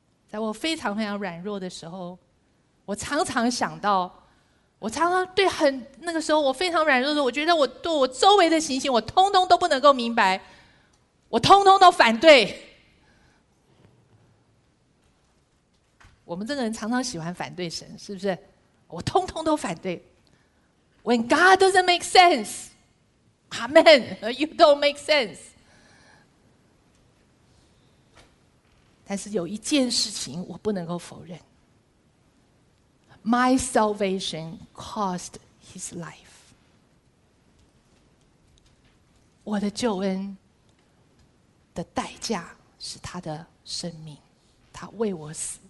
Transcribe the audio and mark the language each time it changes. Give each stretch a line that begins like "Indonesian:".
Chinese: 在我非常非常软弱的时候，我常常想到，我常常对很，那个时候我非常软弱的时候，我觉得我对我周围的情形，我通通都不能够明白，我通通都反对。我们这个人常常喜欢反对神，是不是？我通通都反对。
English: When God doesn't make sense, Amen, you don't make sense.
Chinese: 但是有一件事情我不能够否认。
English: My salvation cost his life.
Chinese: 我的救恩的代价是他的生命，他为我死。